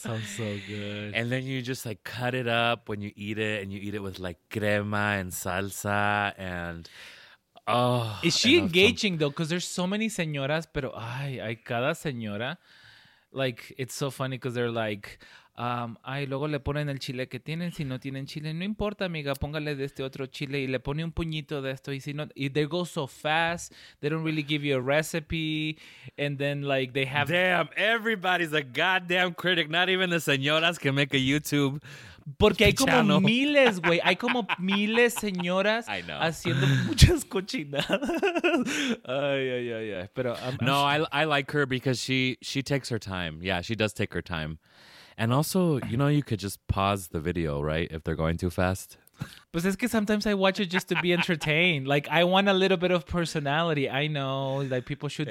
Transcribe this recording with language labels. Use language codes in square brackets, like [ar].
[en] Oh, that sounds so good. And then you just like cut it up when you eat it, and you eat it with like crema and salsa. And oh, is she engaging though? Because there's so many señoras, [es] pero ay, cada señora, [en] like it's so funny because they're like. [es] Ay, luego le ponen el chile que tienen. Si no tienen chile, no importa, amiga, póngale de este otro chile y le pone un puñito de esto. Y si no, y [en] they go so fast, they don't really give you a recipe. And then, like, they have. Damn, everybody's a goddamn critic, not even the señoras que make a YouTube. [es] Porque hay como miles, güey. Hay como miles señoras haciendo muchas cochinadas. Ay, ay, ay, ay. Pero, [en] no, I like her because she takes her time. Yeah, she does take her time. And also, you know, you could just pause the video, right? If they're going too fast. But it's because sometimes I watch it just to be entertained. Like, I want a little bit of personality. I know that like, people should.